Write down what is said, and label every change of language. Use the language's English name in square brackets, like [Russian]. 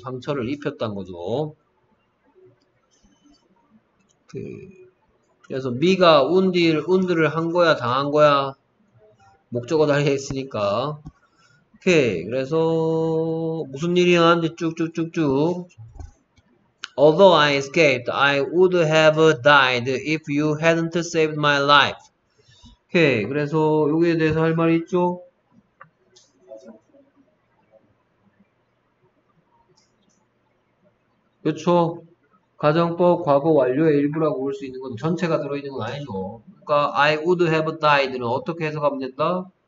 [Korean] 상처를 입혔단 거죠. 그래서 me가 wounded를 한 거야, 당한 거야. 목적어 달려있으니까. 오케이. 그래서 무슨 일이 나는지 쭉쭉쭉쭉. [English] Although I escaped, I would have died if you hadn't saved my life. [Korean] 오케이. 그래서 여기에 대해서 할 말이 있죠? 그렇죠. 가정법 과거 완료의 일부라고 볼 수 있는 건 전체가 들어있는 건 아니죠. 그러니까 [English] I would have died [Korean] 는 어떻게 해석하면 됐다?